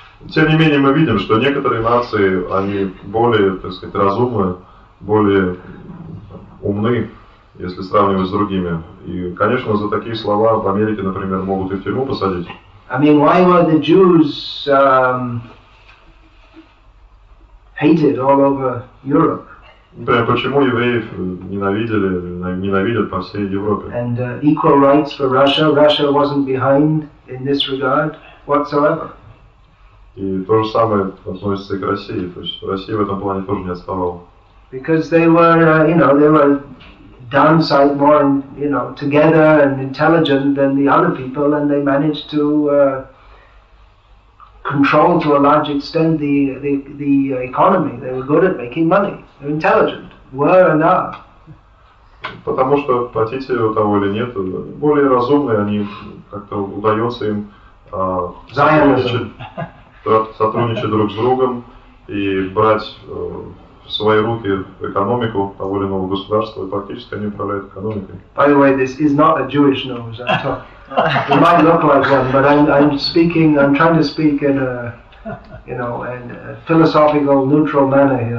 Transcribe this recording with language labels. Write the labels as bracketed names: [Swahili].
[Russian] Тем не менее, мы видим, что некоторые нации, они более, так сказать, разумны, более умны, если сравнивать с другими. И, конечно, за такие слова в Америке, например, могут и в тюрьму посадить. [English] I mean, why were the Jews hated all over Europe? [Russian] Например, почему евреев ненавидели, ненавидят по всей Европе? [English] And equal rights for Russia. Russia wasn't behind in this regard whatsoever. [Russian] И то же самое относится и к России. То есть Россия в этом плане тоже не отставала. [English] Because they were, they were downside more, together and intelligent than the other people, and they managed to control to a large extent the economy. They were good at making money. They're intelligent. Were and are. [Russian] Потому что хотите того или нет, более разумные они как-то удается им сотрудничать друг с другом и брать в свои руки экономику того или иного государства и практически они управляют экономикой. [English] By the way, this is not a Jewish nose. I'm talking. It might look like one, but I'm trying to speak in a, in a philosophical, neutral manner here.